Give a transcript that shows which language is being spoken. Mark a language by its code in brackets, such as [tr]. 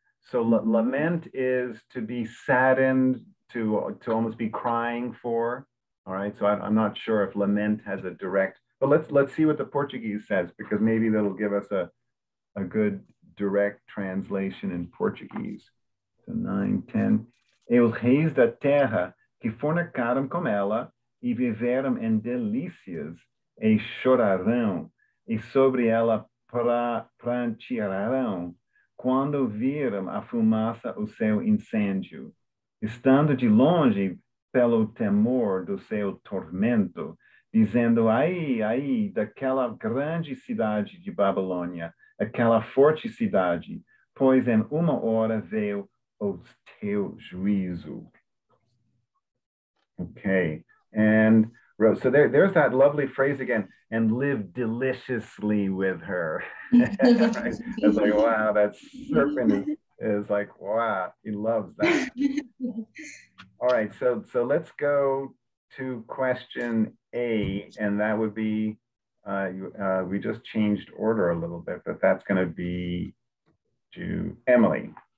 [en] So lament is to be saddened, to almost be crying for. All right. So I'm not sure if lament has a direct, but let's see what the Portuguese says, because maybe that'll give us a good direct translation in Portuguese. So 9:10. [pt] Eu reis da terra que fornicaram com ela e viveram em delícias e chorarão e sobre ela prantearão quando viram a fumaça o seu incêndio. Estando de longe pelo temor do seu tormento, dizendo, ai, ai, daquela grande cidade de Babilônia, aquela forte cidade, pois em uma hora veio o teu juízo. [en] Okay, and Rose, so there's that lovely phrase again, and live deliciously with her. Right? It's like, wow, that serpent is like, wow, he loves that. All right, so let's go to question A, and that would be, we just changed order a little bit, but that's gonna be to Emily.